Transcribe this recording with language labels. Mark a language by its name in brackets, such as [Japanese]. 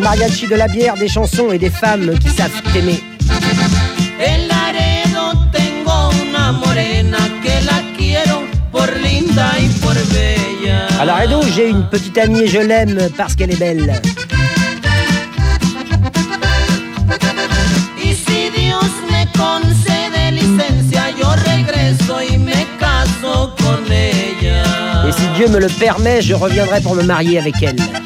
[French] des mariachis, de la bière, des chansons et des femmes qui savent aimer. [Spanish] En Laredo tengo una morena que la quiero por linda y por bella. [French] À Laredo, j'ai une petite amie et je l'aime parce qu'elle est belle. [Spanish] Y si Dios me concede licencia, yo regreso y me caso con ella. [French] Et si Dieu me le permet, je reviendrai pour me marier avec elle.